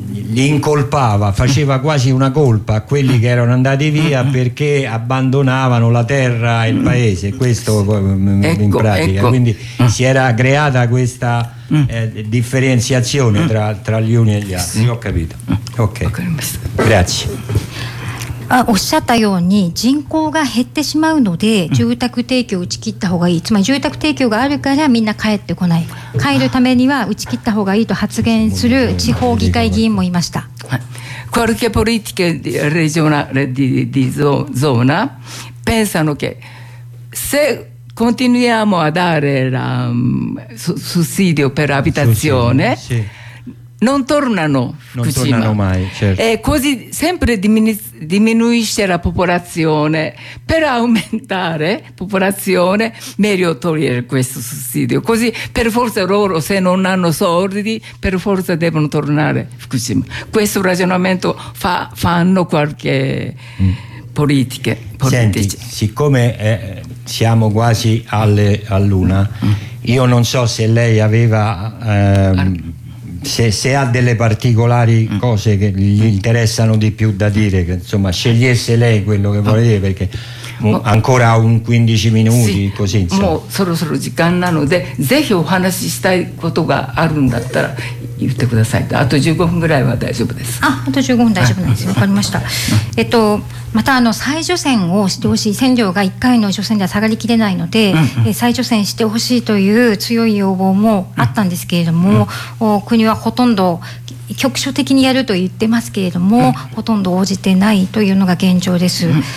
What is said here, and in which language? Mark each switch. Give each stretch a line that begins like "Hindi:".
Italian: Li incolpava, faceva quasi una colpa a quelli che erano andati via perché abbandonavano la terra e il paese, questo in pratica. Quindi si era creata questa differenziazione tra gli uni e gli altri. Ho capito. Ok. Grazie.
Japanese: あ、おっしゃったように人口が減ってしまうので住宅提供を打ち切った方がいい、つまり住宅提供があるからみんな帰ってこない、帰るためには打ち切った方がいいと発言する地方議会議員もいました。
Italian: Qualche politica regionale di zona pensano che se continuiamo a dare la sussidio per abitazione non tornano, mai, certo. E così sempre diminuisce la popolazione. Per aumentare popolazione meglio togliere questo sussidio, così per forza loro, se non hanno soldi, per forza devono tornare Fukushima. Questo ragionamento fanno qualche politici. Senti, siccome siamo quasi all'una, io non so se lei aveva Se ha delle particolari cose che gli interessano di più da dire, che insomma scegliesse lei quello che vuole dire, perché ancora un 15 minuti, sì, così insomma.
Japanese: もうそろそろ時間なので、ぜひお話ししたいことがあるんだったら言ってください。あと15分ぐらいは大丈夫です。あと15分大丈夫なんです。わかりました。また再除染をしてほしい、線量が1回の除染では下がりきれないので、再除染してほしいという強い要望もあったんですけれども、国はほとんど局所的にやると言ってますけれども、ほとんど応じてないというのが現状です。